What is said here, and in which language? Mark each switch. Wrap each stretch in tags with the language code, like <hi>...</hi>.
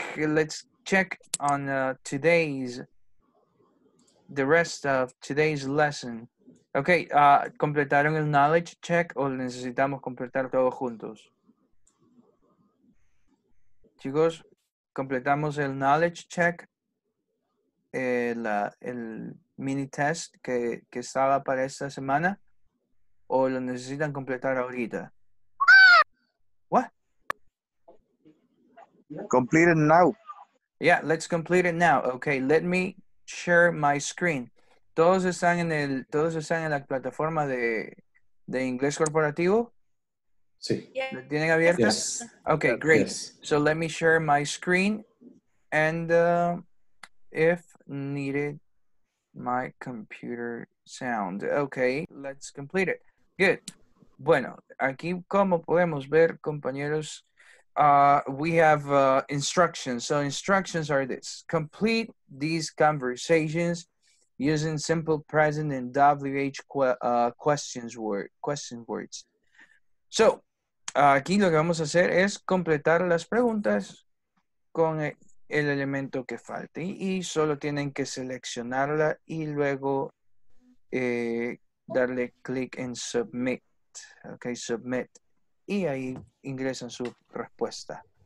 <en>Let's check on the rest of today's lesson.</en> <es>Okay, ¿completaron el knowledge check o necesitamos completar todos juntos? Chicos, completamos el knowledge check, el mini test que estaba para esta semana, o lo necesitan completar ahorita.</es> <en>What? Complete it now. Yeah, let's complete it now. Okay, let me share my screen.</en> <es>¿Todos están en el, todos están en la plataforma de Inglés Corporativo? Sí. ¿La tienen abierta?</es> <en>Yes. Okay, great. Yes. So let me share my screen. And if needed, my computer sound. Okay, let's complete it. Good.</en> <es>Bueno, aquí como podemos ver, compañeros,</es> <en>we have instructions. So instructions are this. Complete these conversations using simple present and WH question words.</en> <es>So, aquí lo que vamos a hacer es completar las preguntas con el elemento que falte y solo tienen que seleccionarla y luego darle click en submit. Okay, submit. Y ahí ingresan su respuesta.</es>